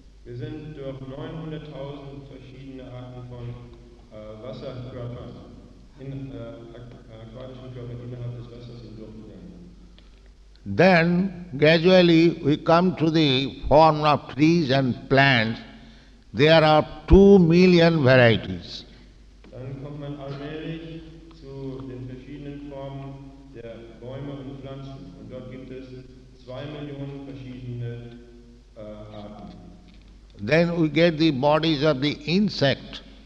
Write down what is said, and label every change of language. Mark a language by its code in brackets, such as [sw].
[de] Wir sind durch 900.000 verschiedene Arten von Wasserkörpern in aquatischen Körpern innerhalb des Wassers hindurchgegangen. [en] Then gradually we come to the form of trees and plants. There are 2 million varieties. [de] Dann kommt man allmählich zu den verschiedenen Formen der Bäume und Pflanzen, und dort gibt es 2 Millionen verschiedene Arten. [en] Then we get the bodies of the insect.